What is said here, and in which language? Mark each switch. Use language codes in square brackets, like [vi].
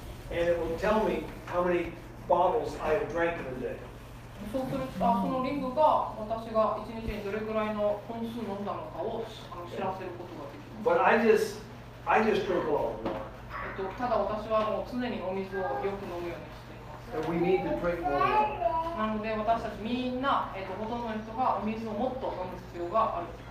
[en] And it will tell me how many bottles I have drank in a day. [ja] そうするとそのリングが私が一日にどれくらいの本数飲んだのかを知らせることができます。 [en] But I just drink a lot of water. [ja] ただ私はもう常にお水をよく飲むようにしています。 [en] We need to drink more. [ja] なので私たちみんな、ほとんどの人がお水をもっと飲む必要がある。